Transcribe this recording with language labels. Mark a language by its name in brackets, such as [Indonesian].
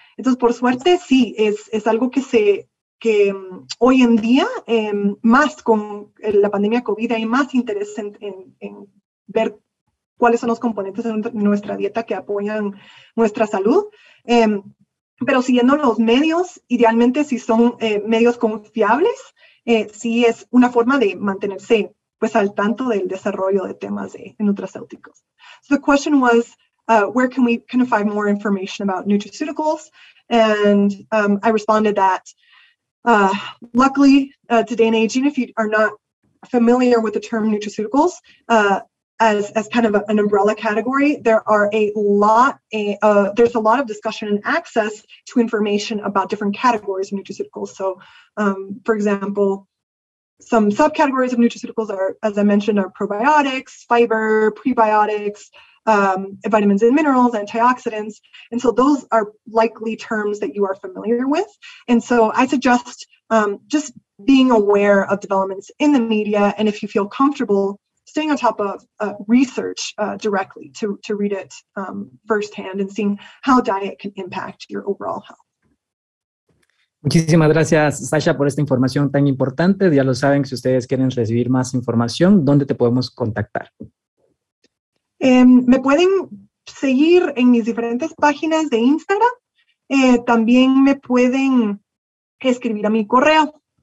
[Spanish] Entonces, por suerte, sí, es algo que hoy en día, más con la pandemia COVID, hay más interés en ver cuáles son los componentes de nuestra dieta que apoyan nuestra salud. Pero siguiendo los medios, idealmente, si son medios confiables, sí es una forma de mantenerse pues al tanto del desarrollo de temas de nutraceuticals. [English] So the question was, where can we kind of find more information about nutraceuticals? And I responded that, luckily, today and aging, if you are not familiar with the term nutraceuticals, as kind of an umbrella category, there's a lot of discussion and access to information about different categories of nutraceuticals. So, for example, some subcategories of nutraceuticals are, as I mentioned, are probiotics, fiber, prebiotics, vitamins and minerals, antioxidants. And so those are likely terms that you are familiar with. And so I suggest just being aware of developments in the media, and if you feel comfortable, staying on top of research directly to read it firsthand and seeing how diet can impact your overall health. [Spanish] Muchísimas gracias, Sasha, por esta información tan importante. Ya lo saben, si ustedes quieren recibir más información, ¿dónde te podemos contactar? Me pueden seguir en mis diferentes páginas de Instagram. También me pueden escribir a mi correo.